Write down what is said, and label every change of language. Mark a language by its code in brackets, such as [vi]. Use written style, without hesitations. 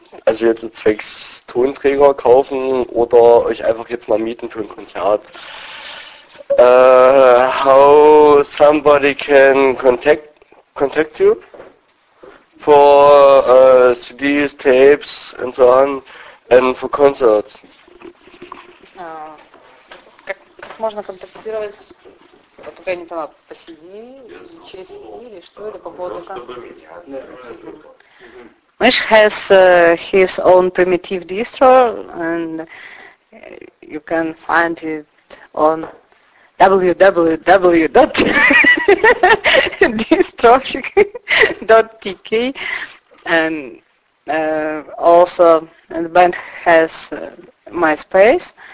[de] Also jetzt zwecks Tonträger kaufen oder euch einfach jetzt mal mieten für ein Konzert? [en] How somebody can contact you for CDs, tapes, and so on, and for concerts? [ru] Как можно контактировать? Вот я не поняла, по CD, через CD или что, или по поводу концерта? [en] Mish has his own primitive distro, and you can find it on www.distrofik.tk, and also the band has MySpace.